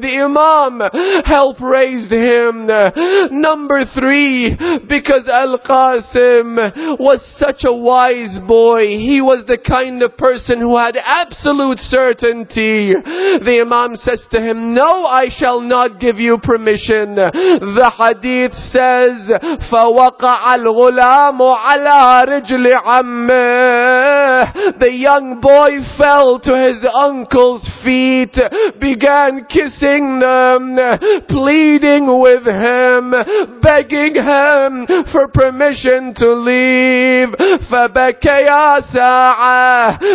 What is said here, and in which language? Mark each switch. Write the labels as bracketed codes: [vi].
[en] The Imam helped raise him. Number 3, because Al-Qasim was such a wise boy. He was the kind of person who had absolute certainty. The Imam says to him, "No, I shall not give you permission." The hadith says, [ar] فَوَقَعَ الْغُلَامُ عَلَىٰ رِجْلِ عَمِّهِ. [en] The young boy fell to his uncle's feet, began kissing them, pleading with him, begging him for permission to leave. [ar] فَبَكَيَا سَاعَىٰ.